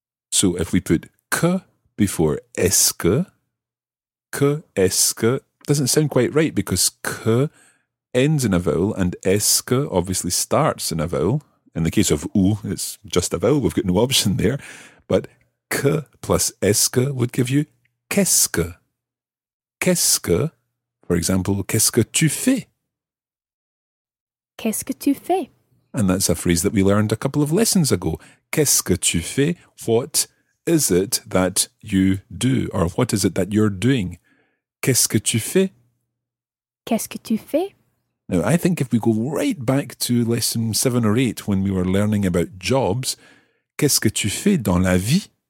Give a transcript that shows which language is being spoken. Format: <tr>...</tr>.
<en>So if we put que before est-ce que, est-ce que doesn't sound quite right because que ends in a vowel and est-ce que obviously starts in a vowel. In the case of ou, it's just a vowel, we've got no option there. But que plus est-ce que would give you qu'est-ce que.</en> <fr>Qu'est-ce que,</fr> <en>for example,</en> <fr>qu'est-ce que tu fais? Qu'est-ce que tu fais?</fr> <en>And that's a phrase that we learned a couple of lessons ago.</en> <fr>Qu'est-ce que tu fais?</fr> <en>What is it that you do? Or what is it that you're doing?</en> <fr>Qu'est-ce que tu fais? Qu'est-ce que tu fais?</fr> <en>Now, I think if we go right back to lesson 7 or 8 when we were learning about jobs,</en> <fr>qu'est-ce que tu fais dans la vie?</fr>